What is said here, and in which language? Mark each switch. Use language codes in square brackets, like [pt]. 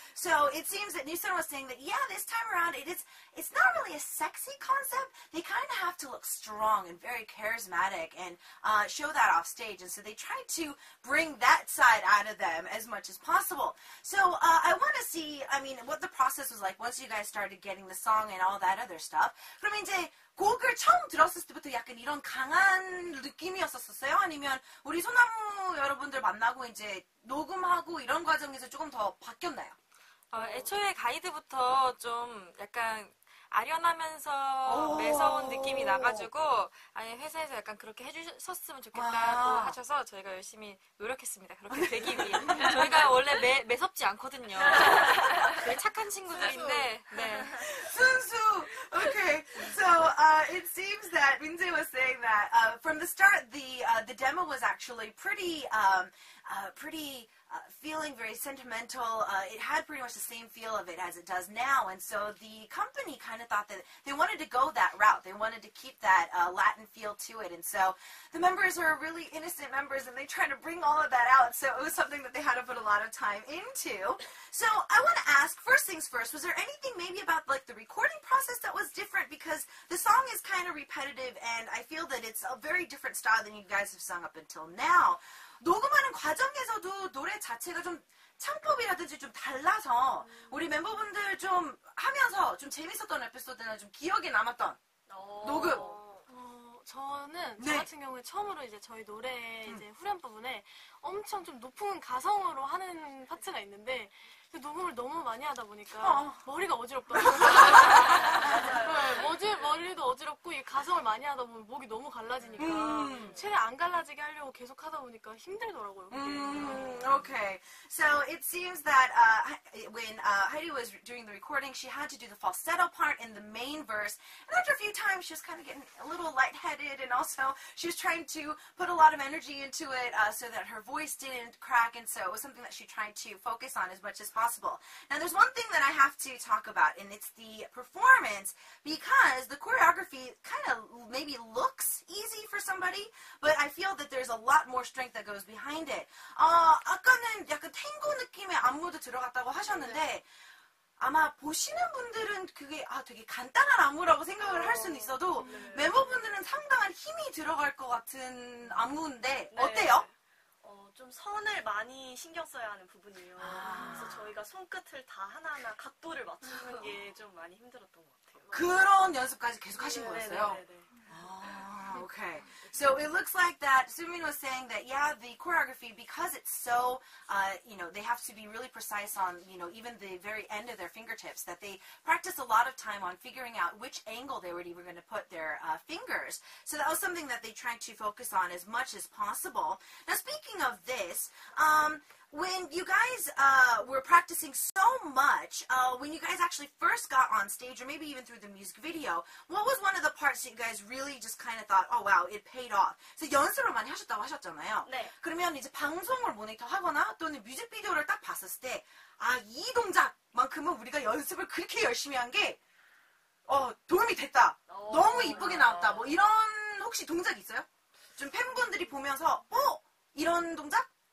[en] So it seems that Nissan was saying that yeah, this time around it's not really a sexy concept. They kind of have to look strong and very charismatic and show that off stage. And so they tried to bring that side out of them as much as possible. So I want to see, I mean, what the process was like once you guys started getting the song and all that other stuff. [ko] 그럼 이제 곡을 처음 들었을 때부터 약간 이런 강한 느낌이었었어요? 아니면 우리 소나무 여러분들 만나고 이제 녹음하고 이런 과정에서 조금 더 바뀌었나요? 애초에 가이드부터 좀 약간 아련하면서 매서운 느낌이 나가지고 아니 회사에서 약간 그렇게 해주셨으면 좋겠다고 하셔서 저희가 열심히 노력했습니다. 그렇게 되기 위해 저희가 원래 매섭지 않거든요. 되게 착한 친구들인데 네. 순수! [en] Okay, so it seems that Minjae was saying that from the start the demo was actually pretty feeling very sentimental. It had pretty much the same feel of it as it does now, and so the company kind of thought that they wanted to go that route. They wanted to keep that Latin feel to it, and so the members are really innocent members, and they try to bring all of that out, so it was something that they had to put a lot of time into. So I want to ask, first things first, was there anything maybe about like the recording process that was different? Because the song is kind of repetitive, and I feel that it's a very different style than you guys have sung up until now. [ko] 녹음하는 과정에서도 노래 자체가 좀 창법이라든지 좀 달라서 우리 멤버분들 좀 하면서 좀 재밌었던 에피소드나 좀 기억에 남았던 녹음. 저는 네. 저 같은 경우에 처음으로 이제 저희 노래 이제 후렴 부분에 엄청 좀 높은 가성으로 하는 파트가 있는데 그 녹음을 너무 많이 하다 보니까 머리가 어지럽더라고요. 네, 머리도 어지럽고 이 가성을 많이 하다 보면 목이 너무 갈라지니까 최대한 안 갈라지게 하려고 계속 하다 보니까 힘들더라고요. [en] Okay. So it seems that when Heidi was doing the recording, she had to do the falsetto part in the main verse. And after a few times, she was kind of getting a little lightheaded and also she was trying to put a lot of energy into it so that her voice didn't crack. And so it was something that she tried to focus on as much as possible. Now there's one thing that I have to talk about and it's the performance because the choreography kind of party, but I feel that there's a lot more strength that goes behind it. [ko] 아까는 약간 탱고 느낌의 안무도 들어갔다고 하셨는데 아마 보시는 분들은 그게 아 되게 간단한 안무라고 생각을 할 수는 있어도 멤버분들은 상당한 힘이 들어갈 것 같은 안무인데 어때요? 좀 선을 많이 신경 써야 하는 부분이에요. 아~ 그래서 저희가 손끝을 다 하나하나 각도를 맞추는 게 좀 많이 힘들었던 것 같아요. 그런 연습까지 계속 하신 네, 거였어요? 네네네. [en] 아, okay. So it looks like that Soomin was saying that, yeah, the choreography, because it's so, you know, they have to be really precise on, you know, even the very end of their fingertips, that they practice a lot of time on figuring out which angle they were even going to put their fingers. So that was something that they tried to focus on as much as possible. Now, speaking of this, when you guys were practicing so much, when you guys actually first got on stage, or maybe even through the music video, what was one of the parts that you guys really just kind of thought, oh wow, it paid off? So [ko] 연습을 많이 하셨다고 하셨잖아요. 네. 그러면 이제 방송을 모니터하거나 또는 뮤직비디오를 딱 봤었을 때, 아, 이 동작만큼은 우리가 연습을 그렇게 열심히 한 게 도움이 됐다. 너무 이쁘게 나왔다. 뭐 이런 혹시 동작 있어요? 좀 팬분들이 보면서 이런 동작?